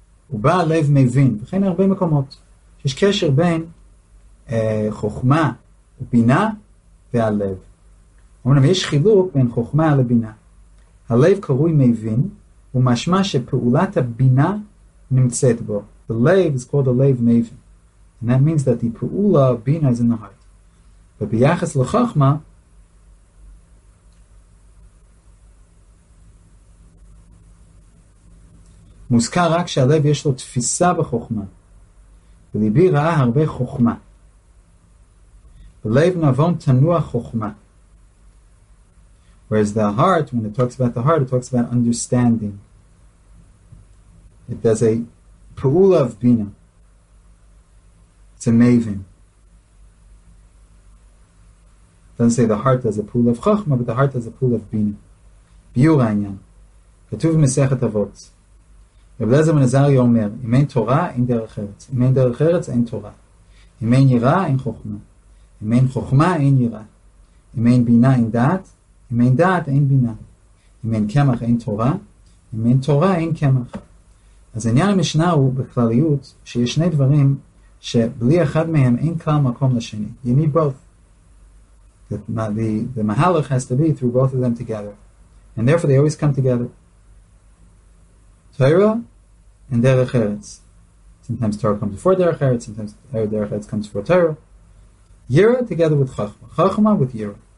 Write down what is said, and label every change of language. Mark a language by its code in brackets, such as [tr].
[he] הוא בא לב מבין, וכן הרבה מקומות. יש קשר בין חוכמה ובינה והלב. אמנם יש חילוק בין חוכמה לבינה. הלב קרוי מבין, הוא משמע שפעולת הבינה נמצאת בו. [en] The lave is called the lave maven. And that means that the פעולה, בינה, is in the heart. [he] וביחס לחוכמה, מוזכר רק שהלב יש לו תפיסה בחוכמה. וליבי ראה הרבה חוכמה. ולב נבון תנוע חוכמה. [en] Whereas the heart, when it talks about the heart, it talks about understanding. It does a פעולה of bina. It's a maven. It doesn't say the heart does a פעולה of חוכמה, but the heart does a פעולה of bina. [he] ביור העניין. כתוב במסכת אבות. רב אלעזר בן עזריה אומר, אם אין תורה, אין דרך ארץ. אם אין דרך ארץ, אין תורה. אם אין יראה, אין חוכמה. אם אין חוכמה, אין יראה. אם אין בינה, אין דעת. אם אין דעת, אין בינה. אם אין קמח, אין תורה. אם אין תורה, אין קמח. אז עניין המשנה הוא בכלליות, שיש שני דברים שבלי אחד מהם אין כלל מקום לשני. [en] You need both. The mahalach has to be through both of them together. And therefore they always come together. Torah and Derech Eretz. Sometimes Torah comes before Derech Eretz, sometimes Derech Eretz comes before Torah. Yira together with Chachma. Chachma with Yira.